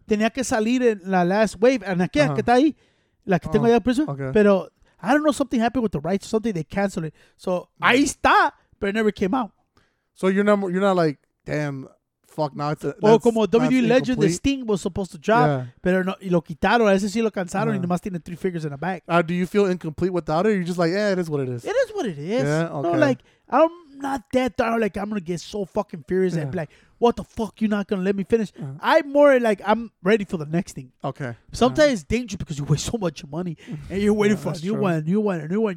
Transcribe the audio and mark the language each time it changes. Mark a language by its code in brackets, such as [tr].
[es] Tenía que salir en la last wave. And aquella que está ahí, la que tengo allá preso. [en] Okay. Pero, I don't know, something happened with the rights or something. They canceled it. So, ahí está, but it never came out. So, you're not like, damn, fuck, now it's a, oh, como WWE legend, the Sting was supposed to drop, pero no, y lo quitaron. [es] Ese sí lo cansaron, y nomás tiene 3 figures in the back. [en] Do you feel incomplete without it? You're just like, yeah, it is what it is. It is what it is. Yeah, okay. No, like, I'm not that thorough. Like, I'm gonna get so fucking furious and be like, what the fuck, you're not gonna let me finish? I'm more like, I'm ready for the next thing. Okay. Sometimes it's dangerous because you waste so much money and you're waiting for a new one.